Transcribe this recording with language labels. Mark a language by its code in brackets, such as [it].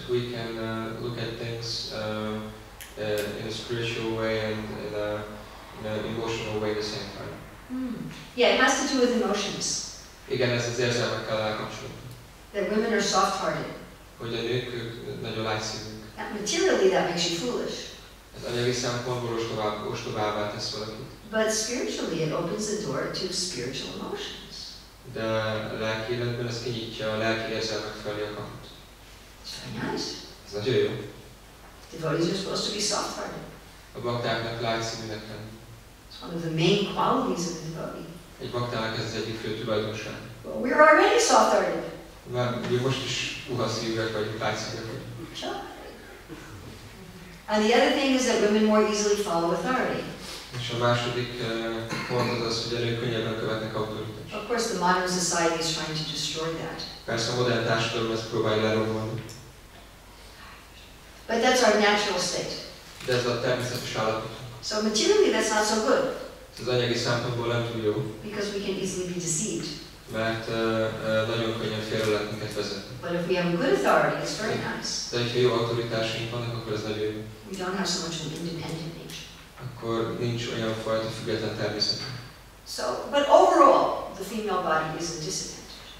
[hu] rá. [en] That we can look at things in a spiritual way and in an emotional way the same time. Yeah, it has to do with emotions. [hu] Igen, ez az érzelmekkel elkapcsolódik. [en] That women are soft-hearted. [hu] Hogy a nők nagyon lágyszívűek. [en] Materially, that makes you foolish. [hu] Ez anyagi szempontból ostobává tesz valakit. [en] But spiritually, it opens the door to spiritual emotions. [hu] De a lelki életben ez kinyitja a lelki érzelmek felé a kaput. [en] It's very nice. [hu] Ez nagyon jó. [en] Devotees are supposed to be soft-hearted. [hu] A baktáknak lágyszívűnek lenni. [en] It's one of the main qualities of the devotee. [hu] Egy baktának ez az egyik fő tulajdonság. [en] Well, we are already soft-hearted. [hu] Mert mi most is puha szívűek vagyunk, látszívűek vagyunk. [en] And the other thing is that women more easily follow authority. [hu] És a második pont az, hogy a nők könnyebben követnek autoritást. [en] Of course the modern society is trying to destroy that. [hu] Persze a modern társadalom ezt próbálja lerombolni. [en] But that's our natural state. [hu] De ez a természetes állapot. [en] So materially that's not so good. [hu] Ez anyagi szempontból nem túl jó. [en] Because we can easily be deceived. [hu] Mert nagyon könnyen félre lehet minket vezetni. [en] But if we have good authority, it's very nice. [hu] De hogyha jó autoritásunk vannak, akkor ez nagyon jó. [en] We don't have so much of an independent nature. [hu] Akkor nincs olyan fajta független természet. [en] So, but overall, the female body is a disadvantage.